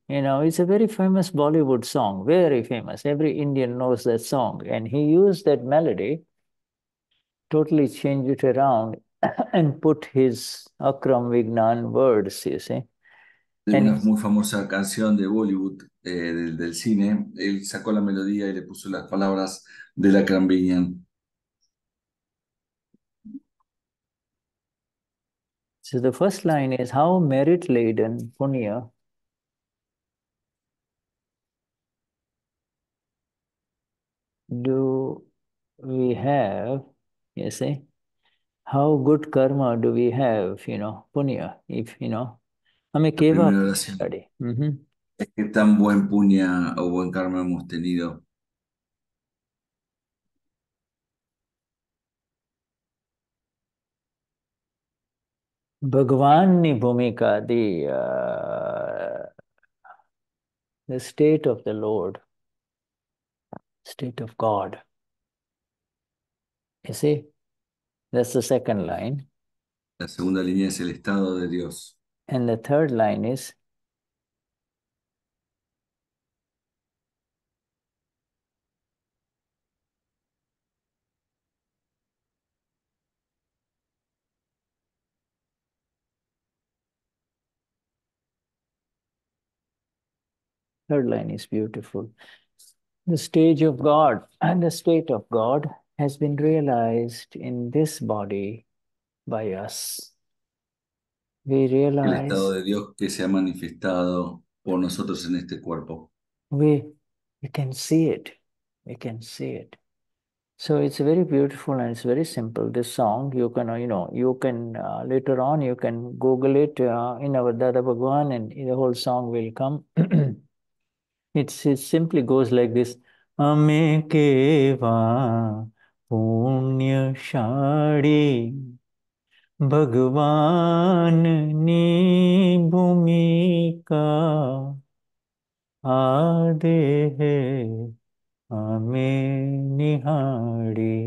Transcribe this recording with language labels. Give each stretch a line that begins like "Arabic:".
English: You know, it's a very famous Bollywood song, very famous. Every Indian knows that song. And he used that melody totally change it around and put his Akram Vignan words, you see.
Spanish: En una muy famosa canción de Bollywood, del cine, él sacó la melodía y le puso las palabras de la Akram Vignan.
English: So the first line is how merit laden punya. Do we have, you see, how good karma do we have, you know, punya, if, you know, I mean, gave up study.
Spanish: Es que tan buen puña o buen karma hemos tenido.
Gujarati: Bhagavan ni bhumika,
English: the state of the Lord. State of God. You see? That's the second line.
Spanish: La segunda línea es el estado de Dios.
English: And the third line is third line is beautiful. The stage of God and the state of God has been realized in this body by us. We realize.
Spanish: El estado de Dios que se ha manifestado por nosotros en este cuerpo.
English: We can see it. We can see it. So it's very beautiful and it's very simple. This song, you can, you know, you can later on, you can Google it in our Dada Bhagwan and the whole song will come. It simply goes like this.
Gujarati: Ame keva punya shadi Bhagavan ni bhumika adehe ame nihadi.